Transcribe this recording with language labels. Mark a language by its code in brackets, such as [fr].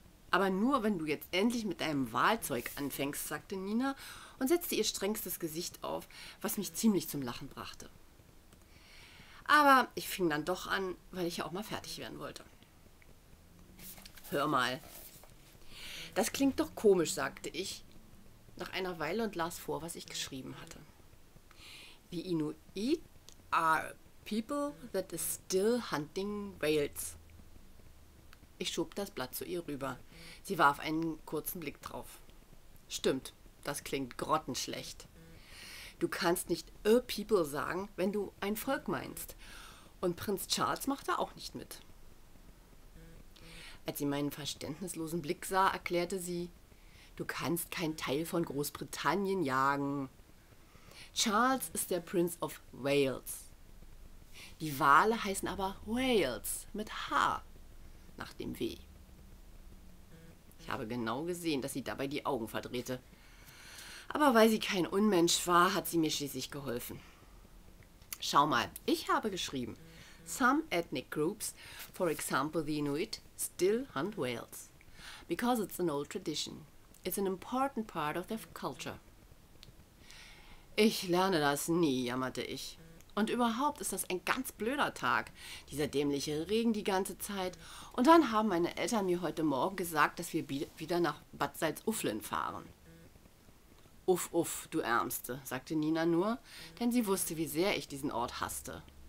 [de] Aber nur, wenn du jetzt endlich mit deinem Wahlzeug anfängst, sagte Nina und setzte ihr strengstes Gesicht auf, was mich ziemlich zum Lachen brachte. Aber ich fing dann doch an, weil ich ja auch mal fertig werden wollte. Hör mal. Das klingt doch komisch, sagte ich nach einer Weile und las vor, was ich geschrieben hatte. [en] The Inuit are people that is still hunting whales. [de] Ich schob das Blatt zu ihr rüber. Sie warf einen kurzen Blick drauf. Stimmt, das klingt grottenschlecht. Du kannst nicht [en] a people [de] sagen, wenn du ein Volk meinst. Und Prinz Charles macht da auch nicht mit. Als sie meinen verständnislosen Blick sah, erklärte sie, du kannst kein Teil von Großbritannien jagen. Charles ist der Prince of Wales. Die Wale heißen aber Wales mit H nach dem W. habe genau gesehen, dass sie dabei die Augen verdrehte. Aber weil sie kein Unmensch war, hat sie mir schließlich geholfen. Schau mal, ich habe geschrieben. [en] Some ethnic groups, for example the Inuit, still hunt whales. Because it's an old tradition. It's an important part of their culture. [de] Ich lerne das nie, jammerte ich. Und überhaupt ist das ein ganz blöder Tag. Dieser dämliche Regen die ganze Zeit. Und dann haben meine Eltern mir heute Morgen gesagt, dass wir wieder nach Bad Salzuflen fahren. Uff, uff, du Ärmste, sagte Nina nur, denn sie wusste, wie sehr ich diesen Ort hasste.